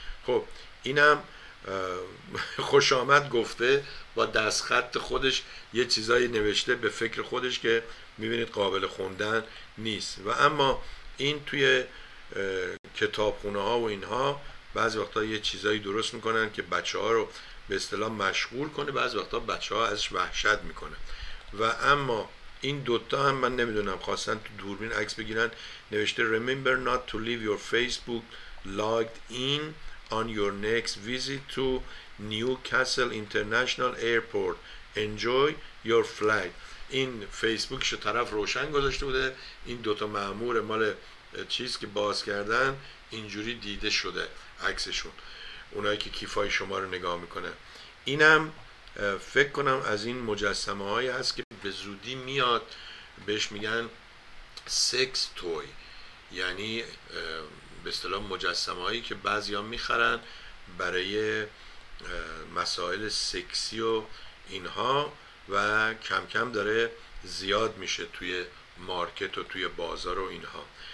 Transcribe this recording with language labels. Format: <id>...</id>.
<fa>خب اینم خوش آمد گفته با دستخط خودش، یه چیزایی نوشته به فکر خودش که میبینید قابل خوندن نیست. و اما این توی کتابخونه ها و اینها بعضی وقتا یه چیزایی درست میکنن که بچه ها رو به اصطلاح مشغول کنه، بعضی وقتا بچه ها ازش وحشت میکنه. و اما این دوتا هم من نمیدونم خواستن تو دوربین عکس بگیرن، نوشته</fa> <en>Remember not to leave your Facebook logged in on your next visit to Newcastle International Airport. Enjoy your flight.</en> <fa>این فیسبوکش طرف روشن گذاشته بوده، این دوتا مأمور مال چیز که باز کردن اینجوری دیده شده عکسشون، اونایی که کیفای شما رو نگاه میکنه. اینم فکر کنم از این مجسمه هایی هست که به زودی میاد، بهش میگن سکس توی، یعنی به اصطلاح مجسمه هایی که بعضی ها میخرن برای مسائل سکسی و اینها، و کم کم داره زیاد میشه توی مارکت و توی بازار و اینها.</fa>